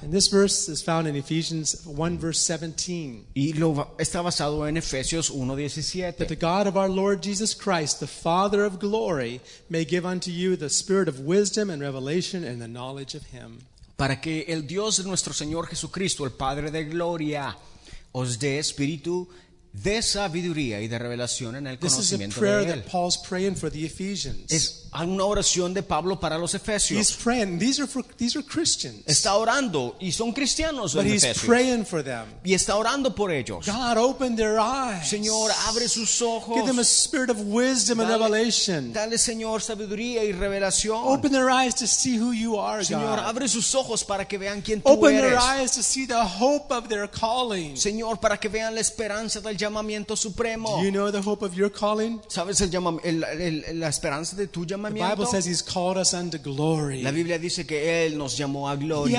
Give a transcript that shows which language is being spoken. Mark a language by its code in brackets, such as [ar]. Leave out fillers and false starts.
[en] And this verse is found in Ephesians 1 verse 17. [es] Y lo está basado en Efesios 1:17. [en] That the God of our Lord Jesus Christ, the Father of glory, may give unto you the spirit of wisdom and revelation in the knowledge of him. [es] Para que el Dios de nuestro Señor Jesucristo, el padre de gloria, os dé espíritu de sabiduría y de revelación en el conocimiento de él. [en] That Paul's praying for the Ephesians. [es] Es una oración de Pablo para los Efesios. [en] He's praying. These are Christians. [es] Está orando y son cristianos. [en] But [es] en [en] he's [es] Efesios. [en] Praying for them. [es] Y está orando por ellos. [en] God, open their eyes. [es] Señor, abre sus ojos. [en] Give them a spirit of wisdom and revelation. [es] Dale, Señor, sabiduría y revelación. [en] Open their eyes to see who you are, [es] Señor, [en] God. [es] Abre sus ojos para que vean quién tú [en] open [es] eres. [en] Their eyes to see the hope of their calling. [es] Señor, para que vean la esperanza del llamamiento supremo. [en] Do you know the hope of your calling? [es] ¿Sabes el la esperanza de tu llamamiento? [en] The Bible says he's called us unto glory. [es] La Biblia dice que él nos llamó a gloria.